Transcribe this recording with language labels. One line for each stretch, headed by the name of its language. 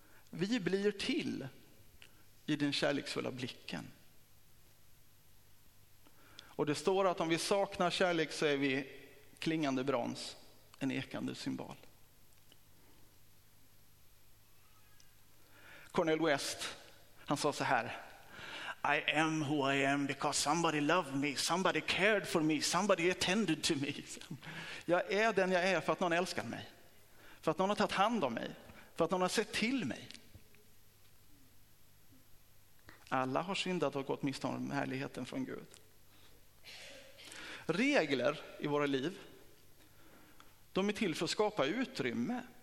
Swedish: Vi blir till i den kärleksfulla blicken. Och det står att om vi saknar kärlek så är vi klingande brons, en ekande symbol. Cornel West, han sa så här,
English: I am who I am because somebody loved me, somebody cared for me, somebody attended to me.
Swedish: Jag är den jag är för att någon älskar mig, för att någon har tagit hand om mig, för att någon har sett till mig. Alla har syndat och gått miste om härligheten från Gud. Regler i våra liv, de är till för att skapa utrymme.